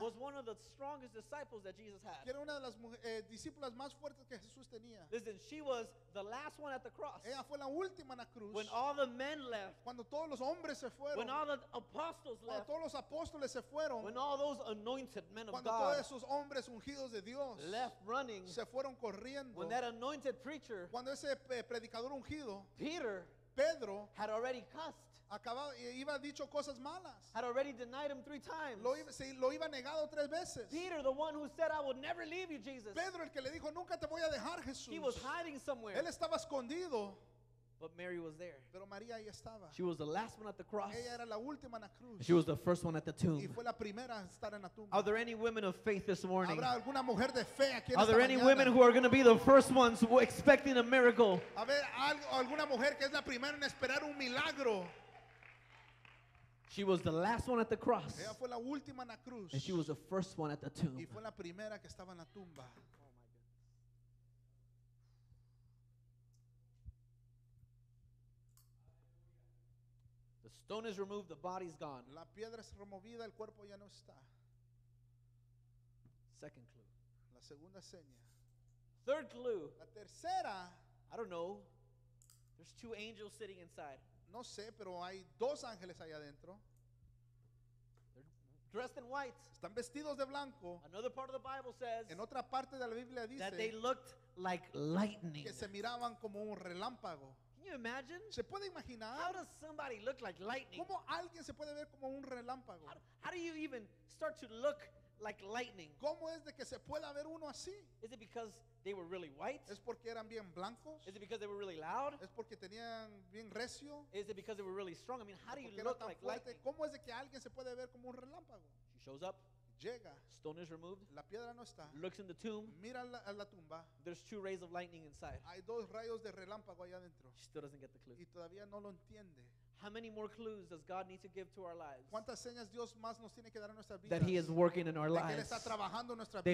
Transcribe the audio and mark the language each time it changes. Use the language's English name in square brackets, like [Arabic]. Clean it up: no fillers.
[English] was one of the strongest disciples that Jesus had. [Spanish] Que era una de las discípulas más fuertes que Jesús tenía. [English] Listen, she was the last one at the cross. [Spanish] Ella fue la última en la cruz. [English] When all the men left. [Spanish] Cuando todos los hombres se fueron. [English] When all the apostles [Spanish] cuando Cuando todos los apóstoles se fueron. [English] When all those anointed men of [Spanish] cuando [English] God. [Spanish] Cuando todos esos hombres ungidos de Dios. [English] Left running. [Spanish] Se fueron corriendo. [English] When that anointed preacher. [Spanish] Cuando ese predicador ungido. [English] Peter. [Spanish] Pedro. [English] Had already cussed. [Spanish] Iba dicho cosas malas. [English] Had already denied him 3 times. [Spanish] Lo iba negado 3 veces. [English] Peter, the one who said, "I would never leave you, Jesus." [Spanish] Pedro, el que le dijo, "Nunca te voy a dejar, Jesús." [English] He was hiding somewhere. [Spanish] Él estaba escondido. [English] But Mary was there. [Spanish] Pero María ahí estaba. [English] She was the last one at the cross. [Spanish] Ella era la última en la cruz. [English] She was the first one at the tomb. [Spanish] Y fue la primera a estar en la tumba. [English] Are there any women of faith this morning? [Spanish] ¿Habrá alguna mujer de fe aquí esta mañana? [English] Are there any women who are going to be the first ones expecting a miracle? [Spanish] A ver, alguna mujer que es la primera en esperar un milagro. [English] She was the last one at the cross. [Spanish] Ella fue la última en la cruz. [English] And she was the first one at the tomb. [Spanish] Y fue la primera que estaba en la tumba. [English] The stone is removed, the body's gone. [Spanish] La piedra es removida, el cuerpo ya no está. [English] Second clue. [Spanish] La segunda seña. [English] Third clue. [Spanish] La tercera. [English] I don't know. There's 2 angels sitting inside. [Spanish] No sé, pero hay 2 ángeles allá adentro. [English] Dressed in white. [Spanish] Están vestidos de blanco. [English] Another part of the Bible says. [Spanish] En otra parte de la Biblia dice [English] that they looked like lightning. [Spanish] Que se miraban como un relámpago. [English] Can you imagine? [Spanish] ¿Se puede imaginar? [English] How does somebody look like lightning? [Spanish] ¿Cómo alguien se puede ver como un relámpago? [English] How do you even start to look like lightning? [Spanish] ¿Cómo es de que se pueda ver uno así? [English] Is it because they were really white? [Spanish] ¿Es porque eran bien blancos? [English] Is it because they were really loud? [Spanish] ¿Es porque tenían bien recio? [English] Is it because they were really strong? I mean, how do you look like lightning? [Spanish] ¿Cómo es de que alguien se puede ver como un relámpago? [English] She shows up. [Spanish] Llega. [English] Stone is removed. [Spanish] La piedra no está. [English] Looks in the tomb. [Spanish] Mira la tumba. [English] There's two rays of lightning inside. [Spanish] Hay dos rayos de relámpago allá adentro. [English] She still doesn't get the clue. [Spanish] Y todavía no lo entiende. [English] How many more clues does God need to give to our lives? [Spanish] ¿Cuántas señas Dios más nos tiene que dar en nuestras vidas? [English] That he is working in our lives. [Spanish] De que él está trabajando en nuestra vida.